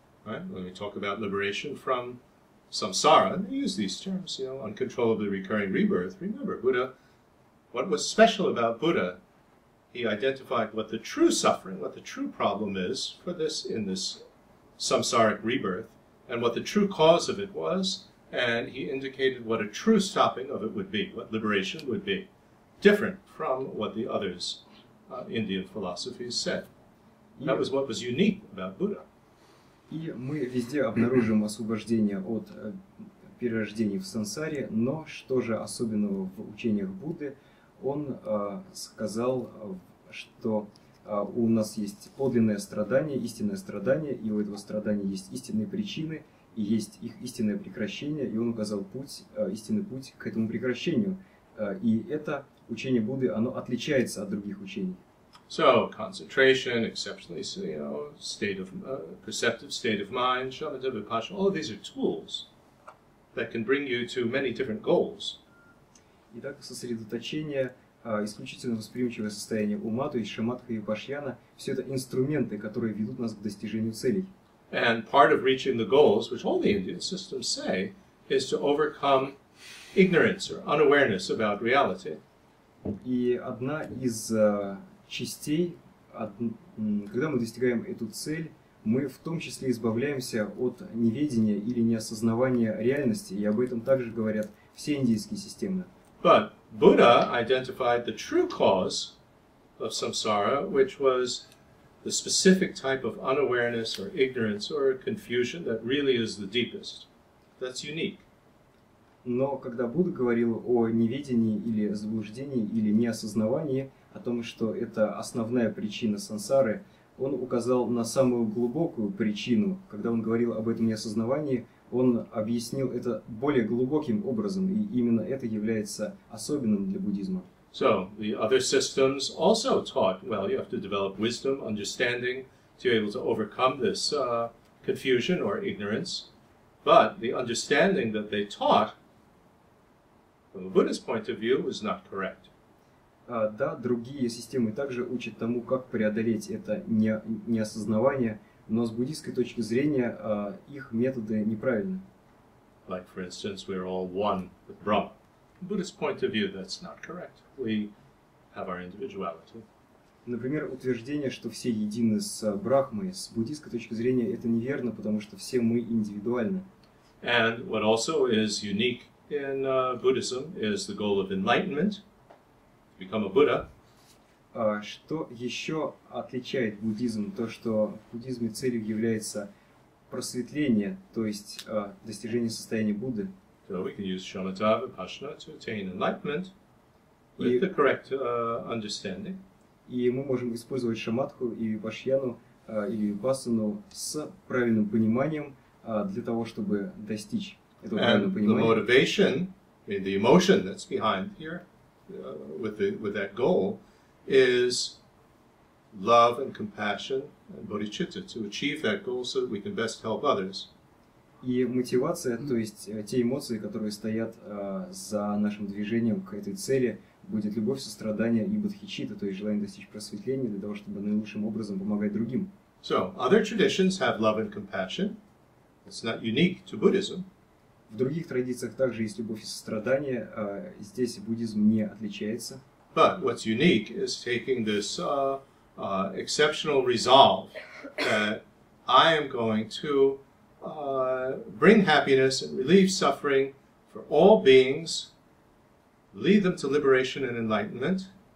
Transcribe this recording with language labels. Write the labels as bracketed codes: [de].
[en] Right? When we talk about liberation from samsara, they use these terms, you know, uncontrollably recurring rebirth. Remember, Buddha, what was special about Buddha, he identified what the true suffering, what the true problem is for this, in this samsaric rebirth, and what the true cause of it was, and he indicated what a true stopping of it would be, what liberation would be, different from what the others, Indian philosophies said. That was what was unique about Buddha. [ru] И мы везде обнаружим освобождение от перерождений в сансаре, но что же особенного в учениях Будды? Он сказал, что у нас есть подлинное страдание, истинное страдание, и у этого страдания есть истинные причины, и есть их истинное прекращение, и он указал путь, истинный путь к этому прекращению. И это учение Будды, оно отличается от других учений. [en] So concentration, exceptionally, you know, state of perceptive state of mind, shamatha, vipassana, all of these are tools that can bring you to many different goals. [ru] Итак, сосредоточение, исключительно восприимчивое состояние ума, то есть шамадха и випассана, все это инструменты, которые ведут нас к достижению целей. [en] And part of reaching the goals, which all the Indian systems say, is to overcome ignorance or unawareness about reality. [ru] И одна из частей, когда мы достигаем эту цель, мы в том числе избавляемся от неведения или неосознавания реальности, и об этом также говорят все индийские системы. [en] But Buddha identified the true cause of samsara, which was the specific type of unawareness or ignorance or confusion that really is the deepest. That's unique. [ru] Но когда Будда говорил о неведении или заблуждении или неосознавании, о том, что это основная причина сансары, он указал на самую глубокую причину. Когда он говорил об этом неосознавании, он объяснил это более глубоким образом, и именно это является особенным для буддизма. [en] So, the other systems also taught, well, you have to develop wisdom, understanding, to be able to overcome this confusion or ignorance. But the understanding that they taught, from a Buddhist point of view, was not correct. [ru] Да, другие системы также учат тому, как преодолеть это неосознавание, но с буддийской точки зрения их методы неправильны. [en] Like, for instance, we are all one with Brahma. From Buddhist point of view, that's not correct. We have our individuality. [ru] Например, утверждение, что все едины с Брахмой, с буддийской точки зрения это неверно, потому что все мы индивидуальны. [en] And what also is unique in Buddhism is the goal of enlightenment. Become a Buddha. [ru] Что еще отличает буддизм? То, что в буддизме целью является просветление, то есть достижение состояния Будды. [en] So we can use shamatha, vipassana to attain enlightenment with the correct understanding. [ru] И мы можем использовать шамадху и випассану или випассану с правильным пониманием для того, чтобы достичь этого правильного понимания. [en] And the motivation, the emotion that's behind here. With that goal is love and compassion and bodhicitta to achieve that goal so that we can best help others. [ru] И мотивация, то есть те эмоции, которые стоят за нашим движением к этой цели, будет любовь, сострадание и бодхичитта, то есть желание достичь просветления для того, чтобы наилучшим образом помогать другим. [en] So other traditions have love and compassion. It's not unique to Buddhism. [ru] В других традициях также есть любовь и сострадание, здесь буддизм не отличается. [en] But what's unique is taking this exceptional resolve that I am going to bring happiness and relieve suffering for all beings, lead them to liberation and enlightenment,